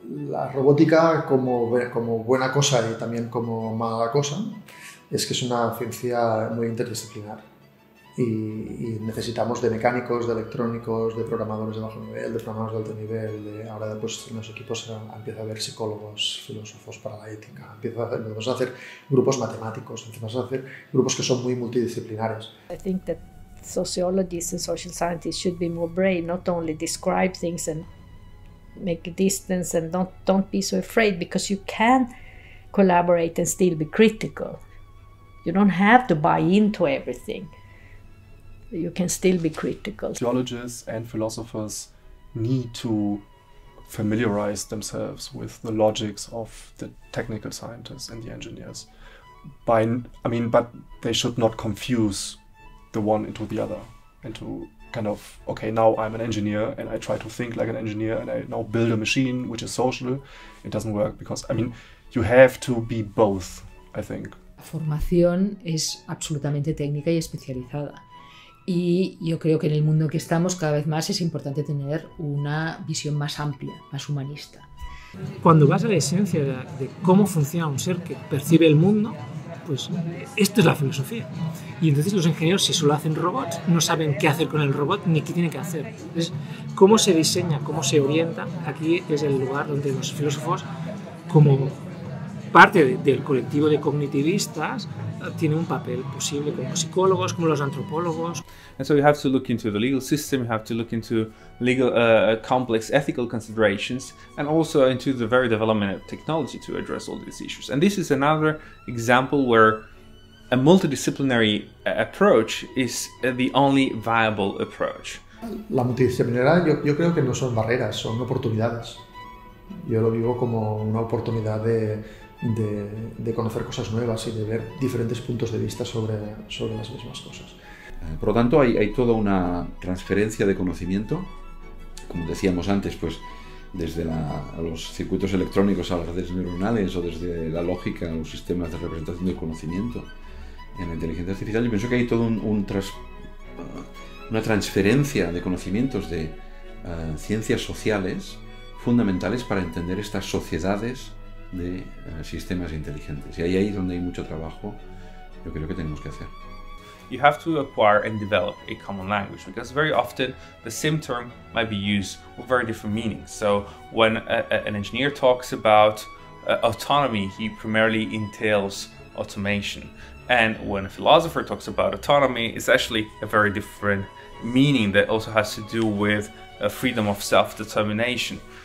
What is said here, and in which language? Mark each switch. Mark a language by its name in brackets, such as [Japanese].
[Spanish] La robótica como buena cosa y también como mala cosa es que es una ciencia muy interdisciplinar y necesitamos de mecánicos, de electrónicos, de programadores de bajo nivel, de programadores de alto nivel, de, ahora después en los equipos empieza a haber psicólogos, filósofos para la ética, empezamos a hacer grupos matemáticos, empezamos a hacer grupos que son muy multidisciplinares. [English] I think that sociologists and social scientists should be more brave, not only describe things and make a distance and don't be so afraid, because you can collaborate and still be critical. You don't have to buy into everything. You can still be critical. Sociologists and philosophers need to familiarize themselves with the logics of the technical scientists and the engineers. But they should not confuse the one into the other, into kind of, okay, now I'm an engineer and I try to think like an engineer and I now build a machine which is social, it doesn't work, because, I mean, you have to be both, I think. [Spanish] La formación es absolutamente técnica y especializada. Y yo creo que en el mundo que estamos cada vez más es importante tener una visión más amplia, más humanista. Cuando vas a la esencia de cómo funciona un ser que percibe el mundo, pues esto es la filosofía. Y entonces los ingenieros, si solo hacen robots, no saben qué hacer con el robot ni qué tiene que hacer. Entonces, cómo se diseña, cómo se orienta, aquí es el lugar donde los filósofos, como parte del colectivo de cognitivistas, tienen un papel posible, como psicólogos, como los antropólogos. [English] And so you have to look into the legal system, you have to look into legal complex ethical considerations, and also into the very development of technology to address all these issues. And this is another example where a multidisciplinary approach is the only viable approach. [Spanish] La multidisciplinaridad, yo creo que no son barreras, son oportunidades. Yo lo vivo como una oportunidad de conocer cosas nuevas y de ver diferentes puntos de vista sobre las mismas cosas. Por lo tanto, hay toda una transferencia de conocimiento, como decíamos antes, pues desde los circuitos electrónicos a las redes neuronales, o desde la lógica a los sistemas de representación del conocimiento en la inteligencia artificial. Yo pienso que hay todo una transferencia de conocimientos de ciencias sociales fundamentales para entender estas sociedades de sistemas inteligentes. Y ahí es donde hay mucho trabajo, yo creo que tenemos que hacer. [English] You have to acquire and develop a common language, because very often the same term might be used with very different meanings. So when an engineer talks about autonomy, he primarily entails automation. And when a philosopher talks about autonomy, it's actually a very different meaning that also has to do with a freedom of self-determination.